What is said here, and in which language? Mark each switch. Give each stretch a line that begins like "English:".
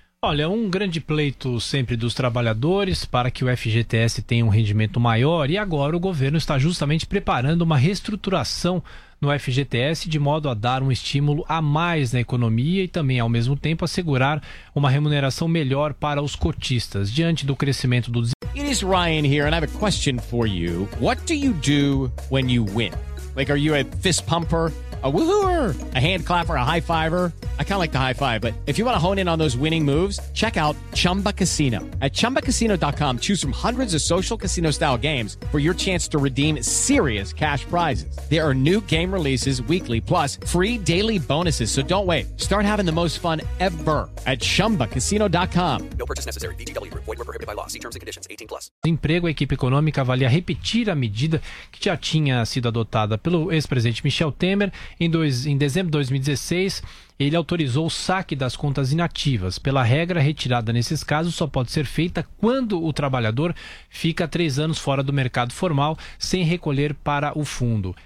Portuguese: Olha, um grande pleito sempre dos trabalhadores para que o FGTS tenha um rendimento maior, e agora o governo está justamente preparando uma reestruturação no FGTS de modo a dar um estímulo a mais na economia e também, ao mesmo tempo, assegurar uma remuneração melhor para os cotistas diante do crescimento do desemprego.
English: It is Ryan here and I have a question for you. What do you do when you win? Like, are you a fist pumper? A woohooer, a hand clapper, a high fiver. I kind of like the high five, but if you want to hone in on those winning moves, check out Chumba Casino. At ChumbaCasino.com, choose from hundreds of social casino style games for your chance to redeem serious cash prizes. There are new game releases weekly, plus free daily bonuses. So don't wait. Start having the most fun ever at ChumbaCasino.com. No purchase necessary. VGW. Void where prohibited by law. See terms and conditions 18 plus.
Portuguese: Emprego, a equipe econômica avalia repetir a medida que já tinha sido adotada pelo ex-presidente Michel Temer. Em dezembro de 2016, ele autorizou o saque das contas inativas. Pela regra, retirada nesses casos só pode ser feita quando o trabalhador fica 3 anos fora do mercado formal, sem recolher para o fundo.